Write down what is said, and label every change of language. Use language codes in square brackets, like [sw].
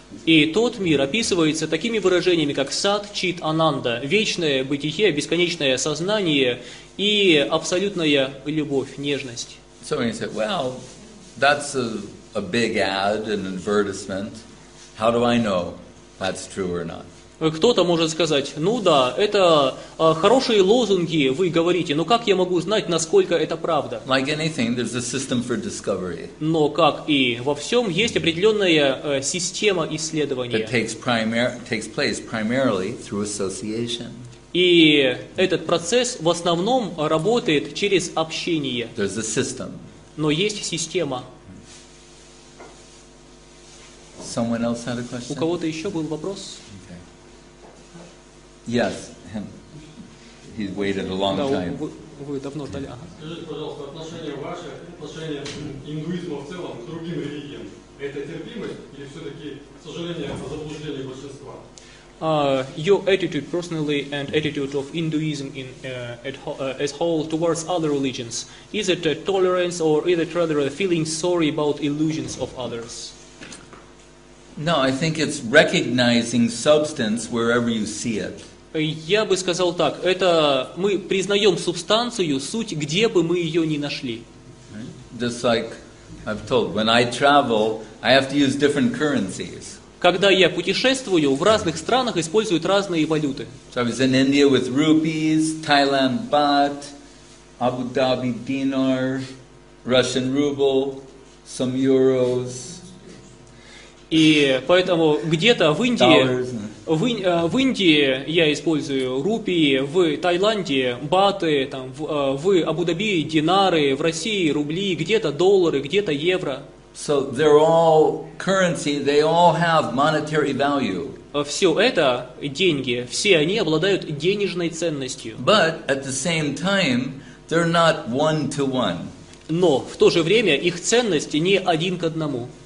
[ru] И тот мир описывается такими выражениями, как сат-чит-ананда – вечное бытие, бесконечное сознание и абсолютная любовь, нежность. [en] So when you say, well, that's a big ad, an advertisement. How do I know that's true or not? [ru] Кто-то может сказать: ну да, это хорошие лозунги вы говорите, но как я могу знать, насколько это правда? [en] Like anything, there's a system for discovery. [ru] Но как и во всем, есть определенная система исследования. [en] It takes place primarily through association. [ru] И этот процесс в основном работает через общение. [en] There's a system. [ru] Но есть система. [en] Someone else had a question? [ru] У кого-то еще был вопрос? [en] Okay. Yes, him. He's waited a long time. [ru] Вы давно ждали. Скажите, пожалуйста, отношение ваше, отношение индуизма в целом к другим религиям, это терпимость или все-таки, к сожалению, заблуждение большинства? [en] Your attitude personally and attitude of Hinduism in as whole towards other religions, is it a tolerance or is it rather a feeling sorry about illusions of others? No, I think it's recognizing substance wherever you see it. [ru] Я бы сказал так: это мы признаем субстанцию, суть, где бы мы ее ни нашли. [en] Just like I've told, when I travel, I have to use different currencies. [ru] Когда я путешествую, в разных странах используют разные валюты. [en] So I was in India with rupees, Thailand baht, Abu Dhabi dinar, Russian ruble, some euros. [ru] И поэтому где-то в Индии, в Индии я использую рупии, в Таиланде баты, там, в Абу-Даби динары, в России рубли, где-то доллары, где-то евро. [en] So they're all currency, they all have monetary value. [ru] Все это деньги, все они обладают денежной ценностью. [en] But at the same time, they're not one to one. [ru] Но в то же время их ценность не один к одному.